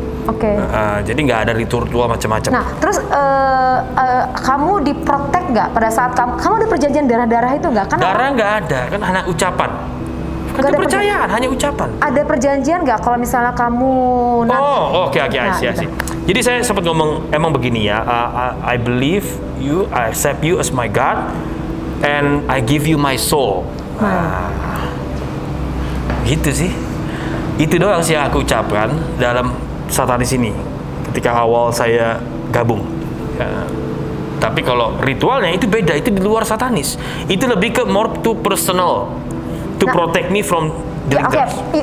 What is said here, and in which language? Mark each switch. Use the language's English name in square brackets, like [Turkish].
[Indonesian] Oke. Okay. Jadi nggak ada ritual macam-macam. Nah, terus kamu diprotek nggak pada saat kamu ada perjanjian darah-darah itu nggak? Kan darah nggak ada, kan hanya ucapan. Kan kepercayaan, hanya ucapan. Ada perjanjian nggak kalau misalnya kamu... Oke. Jadi saya sempat ngomong, emang begini ya, [English] I believe you, I accept you as my God, and I give you my soul. [Indonesian] Gitu sih. Itu doang sih yang aku ucapkan dalam satanis ini ketika awal saya gabung. Ya. Tapi kalau ritualnya itu beda, itu di luar satanis. Itu lebih ke more to personal. [English] To protect me from dealing drugs.